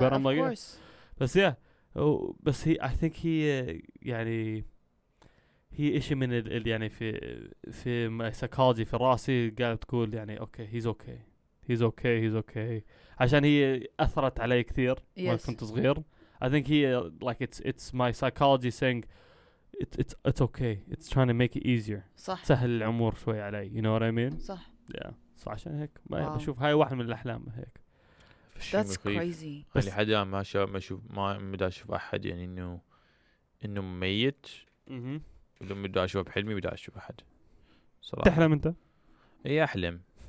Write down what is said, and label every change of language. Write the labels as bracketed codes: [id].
[en] yeah, of course. [ar] بس يا بس هي [en] I think [ar] هي يعني هي إشي من ال يعني في سيكولوجي في راسي قاعد تقول يعني أوكي [en] he's okay [ar] عشان هي أثرت علي كثير. [en] yes. [ar] وأنا كنت صغير. [en] I think he like it's my psychology saying it's okay, it's trying to make it easier. [ar] صح, سهل الأمور شوي علي, [en] you know what I mean. [ar] صح, yeah, صح. عشان هيك ما wow. بشوف هاي واحد من الأحلام هيك. [en] that's crazy. [ar] خلي حدا ما بدي أشوف أحد يعني إنه ميت. لما بدي اشوف بحلمي بدي اشوف احد صراحه. تحلم انت؟ اي احلم